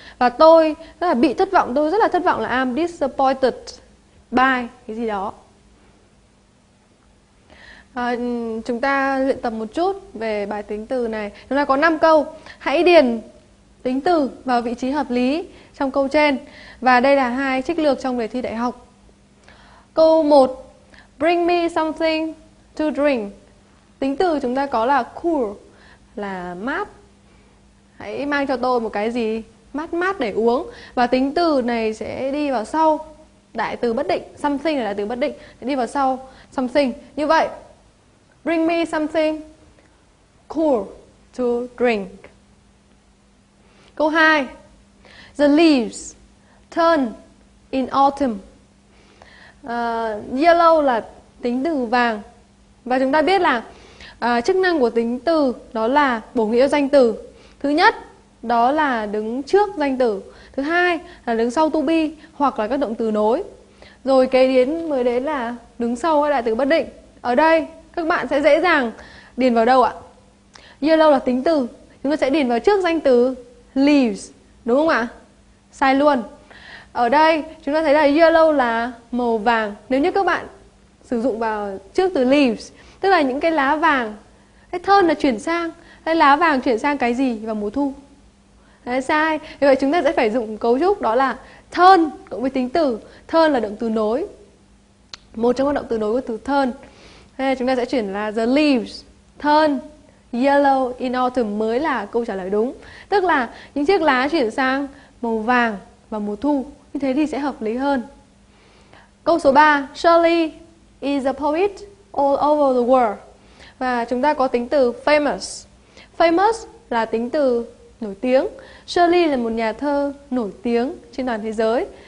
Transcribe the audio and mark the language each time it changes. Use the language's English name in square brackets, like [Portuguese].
[Vietnamese] Và tôi rất là bị thất vọng, tôi rất là thất vọng là [English] I'm disappointed by [Vietnamese] cái gì đó. Chúng ta luyện tập một chút về bài tính từ này. Chúng ta có 5 câu. Hãy điền tính từ vào vị trí hợp lý trong câu trên. Và đây là hai trích lược trong đề thi đại học. Câu 1. [English] Bring me something to drink. [Vietnamese] Tính từ chúng ta có là cool, là mát. Hãy mang cho tôi một cái gì mát mát để uống. Và tính từ này sẽ đi vào sau đại từ bất định, something là đại từ bất định, sẽ đi vào sau something. [English] Như vậy, bring me something cool to drink. Câu 2, the leaves turn in autumn. [Vietnamese] Yellow là tính từ vàng. Và chúng ta biết là chức năng của tính từ đó là bổ nghĩa danh từ. Thứ nhất, đó là đứng trước danh từ. Thứ hai là đứng sau to be hoặc là các động từ nối. Rồi kế đến mới đến là đứng sau các đại từ bất định. Ở đây các bạn sẽ dễ dàng điền vào đâu ạ? Yellow là tính từ, chúng ta sẽ điền vào trước danh từ leaves, đúng không ạ? Sai luôn. Ở đây chúng ta thấy là yellow là màu vàng. Nếu như các bạn sử dụng vào trước từ leaves, tức là những cái lá vàng, cái thơm là chuyển sang, cái lá vàng chuyển sang cái gì vào mùa thu? Đấy, sai. Vì vậy chúng ta sẽ phải dùng cấu trúc đó là turn cộng với tính từ. Turn là động từ nối, một trong các động từ nối của từ turn. Thế chúng ta sẽ chuyển là [English] the leaves turn yellow in autumn [Vietnamese] mới là câu trả lời đúng. Tức là những chiếc lá chuyển sang màu vàng vào mùa thu. Như thế thì sẽ hợp lý hơn. [English] Câu số 3, Shirley is a poet all over the world. [Vietnamese] Và chúng ta có tính từ famous. Famous là tính từ nổi tiếng. Shirley là một nhà thơ nổi tiếng trên toàn thế giới.